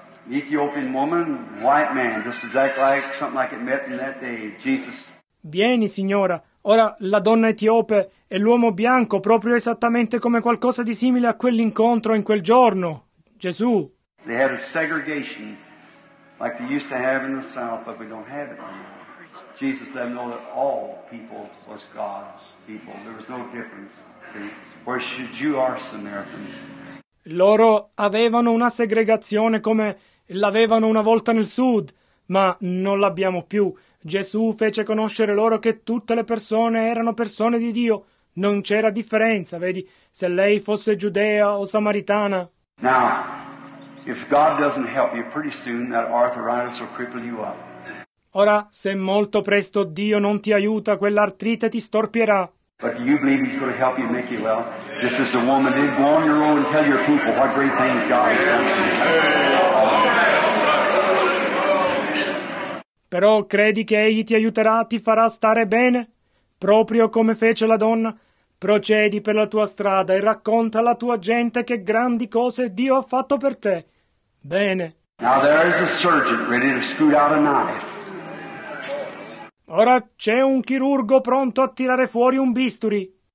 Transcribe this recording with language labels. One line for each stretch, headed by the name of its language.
English: Ethiopian woman, white man, just exactly like something like it met in that day, Jesus.
Italian: Vieni, signora. Ora, la donna etiope e l'uomo bianco, proprio esattamente come qualcosa di simile a quell'incontro in quel giorno, Gesù.
English: They had a segregation, like they used to have in the South, but we don't have it anymore. Jesus let them know that all people was God's people. There was no difference. Where should you are, Samaritan?
Italian: Loro avevano una segregazione come... L'avevano una volta nel sud, ma non l'abbiamo più. Gesù fece conoscere loro che tutte le persone erano persone di Dio. Non c'era differenza, vedi, se lei fosse giudea o samaritana.
English: Now, if God doesn't help you, pretty soon that arthritis will cripple you up.
Italian: Ora, se molto presto Dio non ti aiuta, quell'artrite ti storpierà.
English: But do you believe he's going to help you make you well? This is the woman. Then go on your own and tell your people what great things God has done.
Italian: Però credi che egli ti aiuterà, ti farà stare bene? Proprio come fece la donna? Procedi per la tua strada e racconta alla tua gente che grandi cose Dio ha fatto per te. Bene.
English: Now there is a surgeon ready to scoot out a knife.
Italian: Ora c'è un chirurgo pronto a tirare fuori un bisturi.